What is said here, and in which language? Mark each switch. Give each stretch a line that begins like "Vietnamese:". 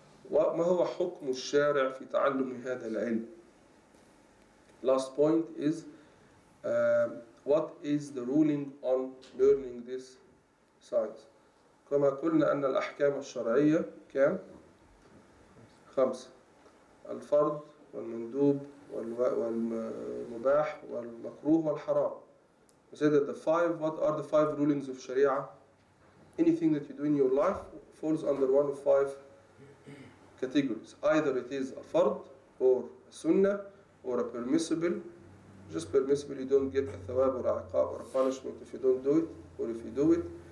Arabic: وما هو حكم الشارع في تعلم هذا العلم؟
English: Last point is, what is the ruling on learning this science?
Arabic: كما قلنا أن الأحكام الشرعية كام؟ خمس: الفرض والمندوب والمباح والمكروه والحرام.
English: We said that the five, what are the five rulings of Sharia? Anything that you do in your life falls under one of five categories. Either it is a fard or a sunnah or a permissible. Just permissible, you don't get a thawab or a iqab or a punishment if you don't do it, or if you do it.